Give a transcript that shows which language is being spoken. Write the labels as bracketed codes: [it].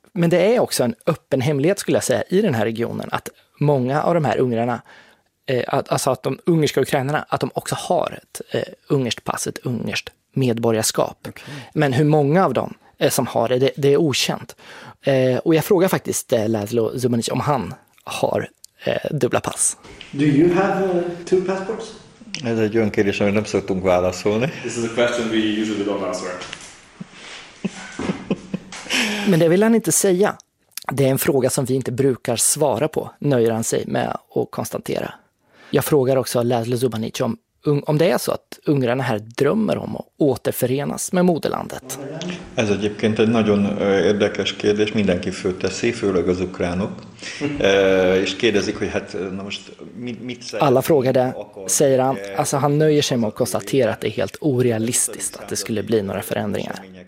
[sv] Men det är också en öppen hemlighet skulle jag säga i den här regionen att många av de här ungrarna, alltså att de ungerska ukrainarna, att de också har ett ungerskt pass, ett ungerskt medborgarskap. Okay. Men hur många av dem som har det, det är okänt. Och jag frågar faktiskt Laszlo Zubanic om han har dubbla pass. [en] Do you have two passports? [hu] Ez egy olyan kérdés, amit nem szoktunk válaszolni. [en] This is a question we usually don't answer. [sv] Men det vill han inte säga. Det är en fråga som vi inte brukar svara på, nöjer han sig med att konstatera. Jag frågar också Laszlo Zubanic om det är så att ungrarna här drömmer om att återförenas med moderlandet. [hu] Ez egyébként egy nagyon érdekes kérdés, mindenki fölteszi, főleg az ukránok. És kérdezik, hogy hát na most mit [sv] säger. Alla frågade, säger han, alltså han nöjer sig med att konstatera att det är helt orealistiskt att det skulle bli några förändringar.